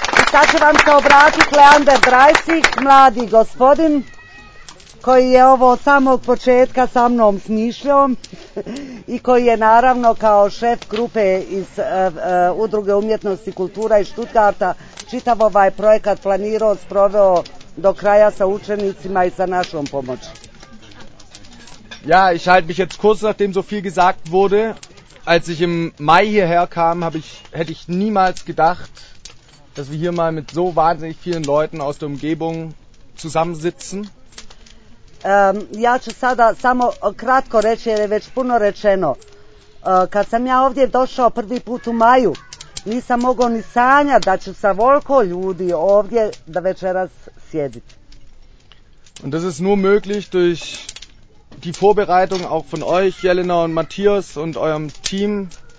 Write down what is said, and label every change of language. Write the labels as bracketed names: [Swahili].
[Bosnian] Sad će vam se obratiti Leander Dreisig, mladi gospodin, koji je ovo samog početka sa mnom smišljao i koji je naravno kao šef grupe iz Udruge umjetnosti i kultura iz Stuttgarta čitav ovaj projekat planirao, sproveo do kraja sa učenicima i sa našom pomoći. [German] Ja, ich halte mich jetzt kurz, nachdem so viel gesagt wurde. Als ich im Mai hierher kam, hätte ich niemals gedacht, dass wir hier mal mit so wahnsinnig vielen Leuten aus der Umgebung zusammensitzen. [Bosnian] Ja ću sada samo kratko reći, jer je već puno rečeno. Kad sam ja ovdje došao prvi put u maju, nisam mogao ni sanjati da ću sa volko ljudi ovdje da večeras sjediti. [German] Und das ist nur möglich durch die Vorbereitung auch von euch, Jelena und Matthias und eurem Team.